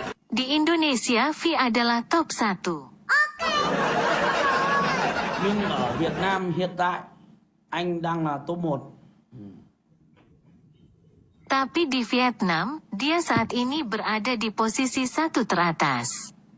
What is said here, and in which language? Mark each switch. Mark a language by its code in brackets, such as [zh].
[id] Di Indonesia, Vi adalah top 1. Oke. [vi] Nhưng ở Việt Nam hiện tại, anh đang là top 1. [id] Tapi di Vietnam, dia saat ini berada di posisi 1 teratas.